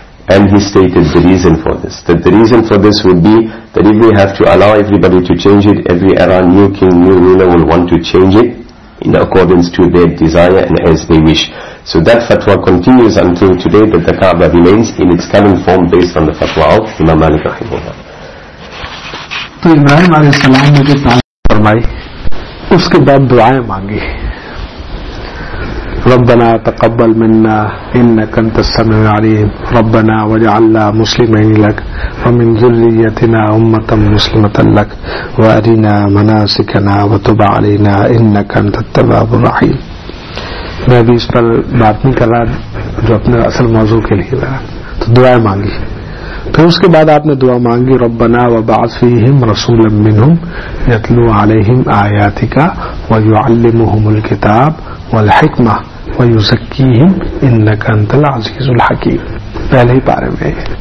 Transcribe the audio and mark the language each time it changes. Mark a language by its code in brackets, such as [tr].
[en] And he stated the reason for this. That the reason for this would be that if we have to allow everybody to change it, every era, new king, new ruler will want to change it in accordance to their desire and as they wish. So that fatwa continues until today, that the Kaaba remains in its current form based on the fatwa of Imam Malik rahimahullah. [ur] تو ابراہیم علیہ السلام نے جو تعلیم فرمائی اس کے بعد دعائیں مانگی [ar] ربنا تقبل منا انك انت السميع العليم ربنا واجعلنا مسلمين لك ومن ذريتنا امة مسلمة لك وارنا مناسكنا وتب علينا انك انت التواب الرحيم. [ur] میں ابھی اس پر بات نہیں کر رہا جو اپنے اصل موضوع کے لیے رہا. تو دعائیں مانگی, پھر اس کے بعد آپ نے دعا مانگی [ar] ربنا وبعث فیہم رسولا منہم یتلو علیہم آیاتک ویعلمہم الکتاب والحکمہ ویزکیہم انک انت العزیز الحکیم. [ur] پہلے ہی پارے میں.